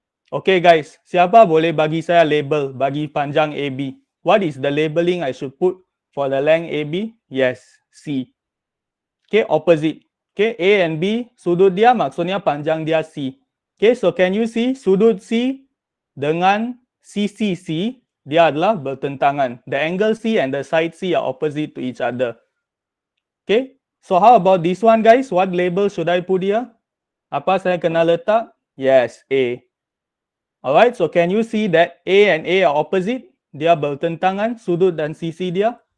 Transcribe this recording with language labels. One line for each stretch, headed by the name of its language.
Malay: Okay guys, siapa boleh bagi saya label bagi panjang AB?
English: What is the labeling I should put for the length AB? Yes, C. Okay, opposite. Okay, A and B,
Malay: sudut dia maksudnya panjang dia C.
English: Okay, so can you see
Malay: sudut C dengan CCC, dia adalah bertentangan.
English: The angle C and the side C are opposite to each other. Okay, so how about this one guys? What label should I put here?
Malay: Apa saya kena letak? Yes, A.
English: Alright, so can you see that A and A are opposite?
Malay: Dia bertentangan, sudut dan sisi dia.